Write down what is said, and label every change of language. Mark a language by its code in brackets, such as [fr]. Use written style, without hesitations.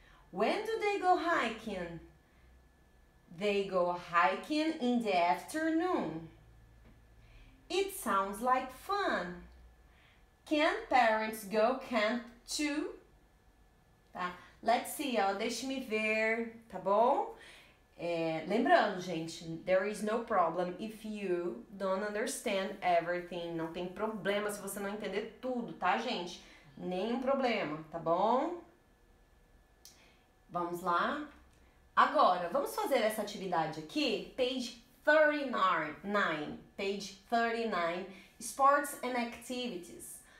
[en] When do they go hiking? They go hiking in the afternoon. It sounds like fun. Can parents go camp too? Tá. Let's see, [pt] ó, deixe-me ver, tá bom? Lembrando, gente, [en] there is no problem if you don't understand everything. [pt] Não tem problema se você não entender tudo, tá, gente? Nenhum problema, tá bom? Vamos lá. Agora, vamos fazer essa atividade aqui? [en] Page 39, Sports and Activities.